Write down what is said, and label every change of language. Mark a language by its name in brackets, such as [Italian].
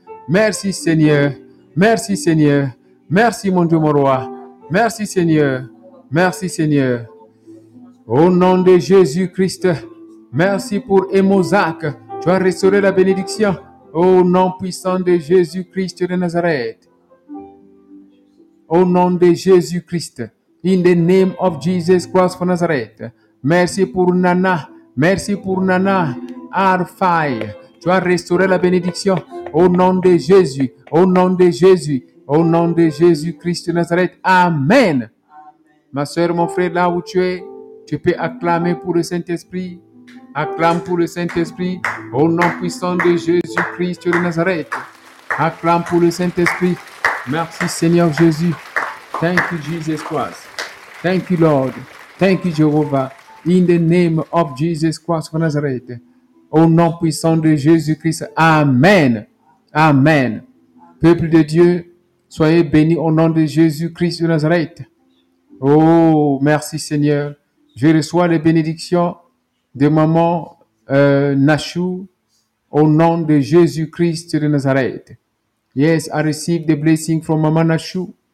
[French] Merci Seigneur. Merci Seigneur. Merci mon Dieu, mon roi. Merci Seigneur. Merci Seigneur. Au nom de Jésus-Christ. Merci pour Emozac. Tu as restauré la bénédiction. Au nom puissant de Jésus-Christ de Nazareth. Au nom de Jésus-Christ. [English] In the name of Jesus Christ of Nazareth. [French] Merci pour Nana. Merci pour Nana. Arfai. Tu as restauré la bénédiction. Au nom de Jésus. Au nom de Jésus. Au nom de Jésus-Christ de Nazareth. Amen. Amen. Ma soeur, mon frère, là où tu es, tu peux acclamer pour le Saint-Esprit. Acclame pour le Saint-Esprit. Au nom puissant de Jésus-Christ de Nazareth. Acclame pour le Saint-Esprit. Merci Seigneur Jésus. [English] Thank you, Jesus Christ. Thank you, Lord. Thank you, Jehovah. In the name of Jesus Christ of Nazareth. [French] Au nom puissant de Jésus-Christ. Amen. Amen. Peuple de Dieu, soyez bénis au nom de Jésus-Christ de Nazareth. Oh, merci Seigneur. Je reçois les bénédictions de maman Nashu au nom de Jésus-Christ de Nazareth. [English] Yes, I receive the blessing from Mama Nashu.